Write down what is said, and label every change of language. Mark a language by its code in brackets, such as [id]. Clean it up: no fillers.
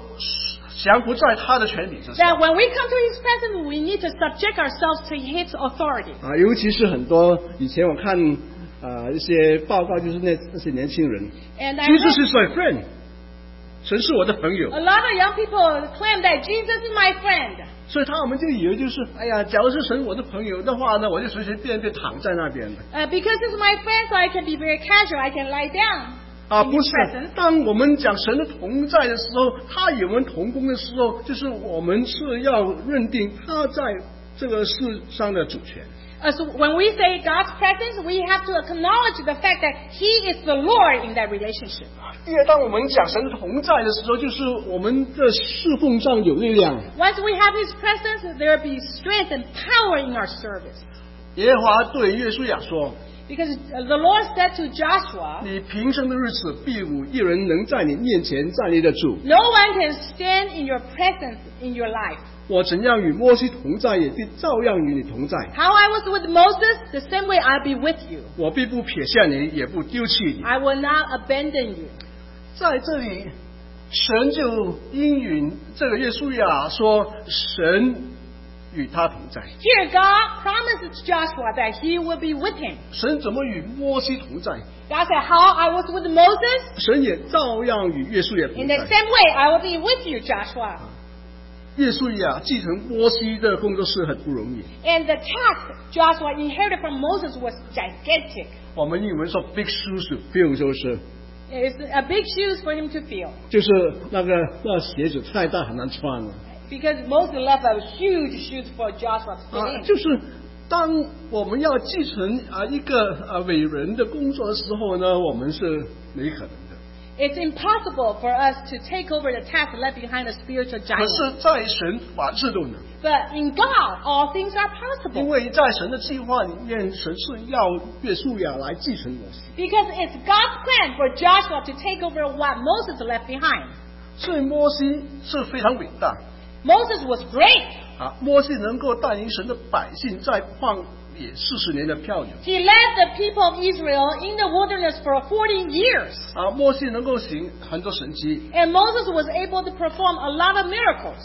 [zh] 就是当我们来到神的面前的时候，我们真的要降服在他的权柄之上。 [en] That when we come to his presence, we need to subject ourselves to his authority. [zh] 尤其是很多以前我看一些报告，就是那些年轻人。 [en] And Jesus is my friend. [zh] 神是我的朋友。 [en] A lot of young people claim that Jesus is my friend. [zh] 所以他们就以为就是，哎呀，假如是神我的朋友的话呢，我就随随便便躺在那边的。 [en] Because it's my friend, so I can be very casual. I can lie down. [zh] 啊，不是，当我们讲神的同在的时候，他与我们同工的时候，就是我们是要认定他在这个世上的主权。 [en] So when we say God's presence, we have to acknowledge the fact that He is the Lord in that relationship. [zh] 因为当我们讲神同在的时候，就是我们的侍奉上有力量。 [en] Once we have His presence, there will be strength and power in our service. [zh] 耶和华对约书亚说， [en] Because the Lord said to Joshua, [zh] 你平生的日子必无一人能在你面前站立得住。 [en] No one can stand in your presence in your life. [zh] 我怎样与摩西同在，也必照样与你同在。 [en] How I was with Moses, the same way I'll be with you. [zh] 我必不撇下你，也不丢弃你。 [en] I will not abandon you. [zh] 在这里，神就应允这个约书亚说，神与他同在。 [en] Here God promises Joshua that He will be with him. [zh] 神怎么与摩西同在？ [en] God said, "How I was with Moses." [zh] 神也照样与约书亚同在。 [en] In the same way, I will be with you, Joshua. [zh] 约书亚继承摩西的工作是很不容易。 [en] And the task Joshua inherited from Moses was gigantic. [zh] 我们英文说 [en] big shoes to fill [zh] 就是。 [en] It's a big shoes for him to fill. [zh] 就是那鞋子太大很难穿了。 [en] Because Moses left a huge shoes for Joshua to fill. [zh] 就是当我们要继承一个伟人的工作的时候呢，我们是没可能。 [en] It's impossible for us to take over the task left behind a spiritual giant. [zh] 可是在神凡事都能。 [en] But in God, all things are possible. [zh] 因为在神的计划里面，神是要约书亚来继承摩西。 [en] Because it's God's plan for Joshua to take over what Moses left behind. [zh] 所以摩西是非常伟大。 [en] Moses was great. [zh] 摩西能够带领神的百姓在旷野四十年的漂流。 [en] He led the people of Israel in the wilderness for 40 years. [zh] 摩西能够行很多神迹。 [en] And Moses was able to perform a lot of miracles.